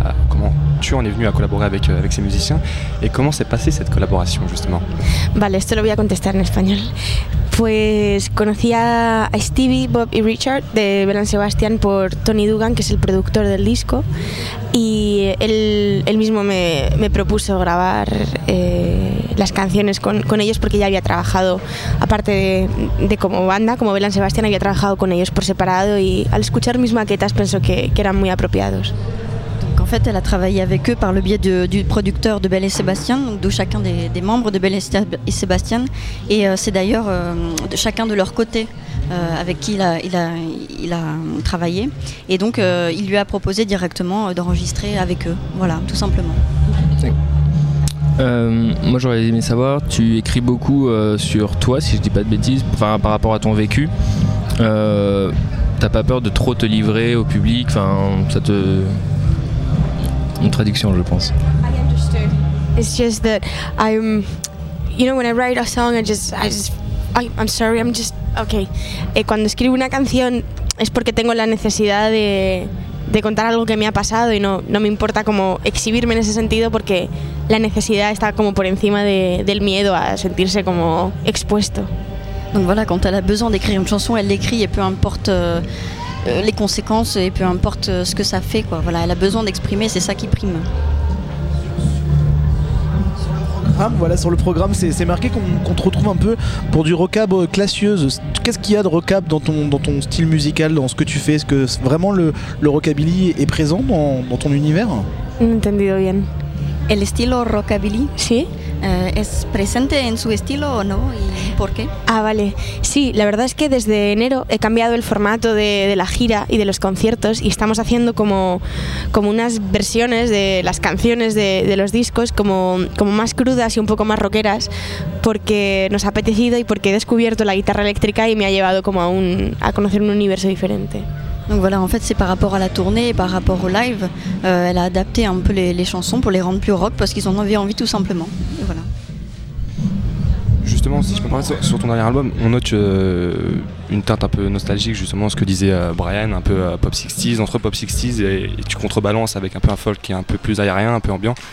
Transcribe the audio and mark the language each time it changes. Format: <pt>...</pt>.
<fr>Comment tu en es venu à collaborer avec ces musiciens et comment s'est passée cette collaboration justement?</fr> <es>Vale, esto lo voy a contestar en español. Pues conocí a Stevie, Bob y Richard de Belle and Sébastien por Tony Dugan, que es el productor del disco, y él mismo me propuso grabar las canciones con ellos porque ya había trabajado, aparte de como banda, como Belle and Sébastien, había trabajado con ellos por separado y al escuchar mis maquetas pensó que eran muy apropiados.</es> <fr>En fait, elle a travaillé avec eux par le biais du producteur de Belle et Sébastien, d'où chacun des membres de Belle et Sébastien. Et c'est d'ailleurs de chacun de leur côté avec qui il a travaillé. Et donc, il lui a proposé directement d'enregistrer avec eux. Voilà, tout simplement. Moi, j'aurais aimé savoir, tu écris beaucoup sur toi, si je dis pas de bêtises, par rapport à ton vécu. T'as pas peur de trop te livrer au public? Enfin, ça te... Une traduction, je pense.</fr> <en>I understood. It's just that I'm, you know, when I write a song, I'm sorry, I'm just okay.</en> <es>Cuando escribo una canción es porque tengo la necesidad de contar algo que me ha pasado y no me importa como exhibirme en ese sentido porque la necesidad está como por encima del miedo a sentirse como expuesto.</es> <fr>Donc voilà, quand elle a besoin d'écrire une chanson, elle l'écrit et peu importe les conséquences et peu importe ce que ça fait, quoi. Voilà, elle a besoin d'exprimer, c'est ça qui prime. Sur le programme, c'est marqué qu'on te retrouve un peu pour du rockab classieuse. Qu'est-ce qu'il y a de rockab dans ton style musical, dans ce que tu fais? Est-ce que vraiment le rockabilly est présent dans ton univers?</fr> <es>Entendido bien. El estilo rockabilly, sí. ¿Es presente en su estilo o no? ¿Y por qué? Ah, vale. Sí, la verdad es que desde enero he cambiado el formato de la gira y de los conciertos y estamos haciendo como unas versiones de las canciones de los discos como más crudas y un poco más rockeras porque nos ha apetecido y porque he descubierto la guitarra eléctrica y me ha llevado como a conocer un universo diferente.</es> <fr>Donc voilà, en fait c'est par rapport à la tournée et par rapport au live, elle a adapté un peu les chansons pour les rendre plus rock parce qu'ils en avaient envie tout simplement, et voilà. Justement, si je peux parler sur ton dernier album, on note une teinte un peu nostalgique, justement ce que disait Brian, un peu pop 60s, entre pop 60s et tu contrebalances avec un peu un folk qui est un peu plus aérien, un peu ambiant.</fr>